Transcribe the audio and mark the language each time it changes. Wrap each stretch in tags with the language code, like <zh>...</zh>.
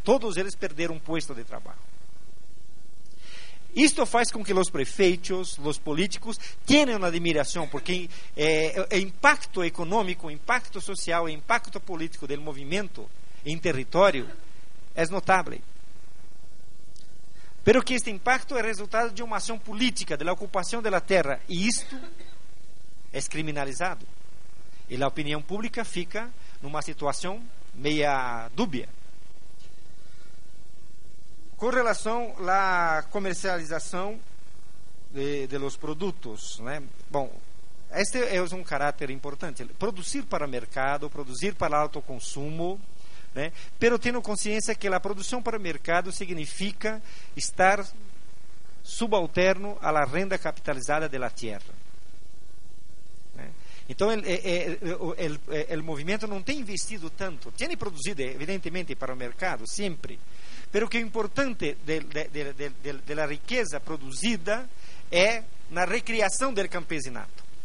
<pt>Todos eles perderam um posto de trabalho. Isto faz com que os prefeitos, os políticos, tenham uma admiração, porque o impacto econômico, o impacto social, o impacto político do movimento em território</pt> <es>es notable. Pero que este impacto es resultado de una acción política de la ocupación de la tierra, y esto es criminalizado. Y la opinión pública</es> <pt>fica numa</pt> <es>situación</es> <pt>meia dúbia.</pt> <es>Con relación a la comercialización de los productos, ¿no?</es> <pt>Bom,</pt> <es>este es un carácter importante. Producir para mercado, producir para autoconsumo, né? Pero</es> <pt>tendo consciência que a produção para mercado significa estar subalterno à</pt> <es>la renda capitalizada de la tierra.</es> <pt>Então,</pt> <es>el</es> <pt>movimento não tem investido tanto. Tem produzido, evidentemente, para o mercado, sempre.</pt> <es>Pero</es> <pt>que o importante</pt> <es>de la riqueza</es> <pt>produzida é na recriação</pt> <es>del campesinato.</es>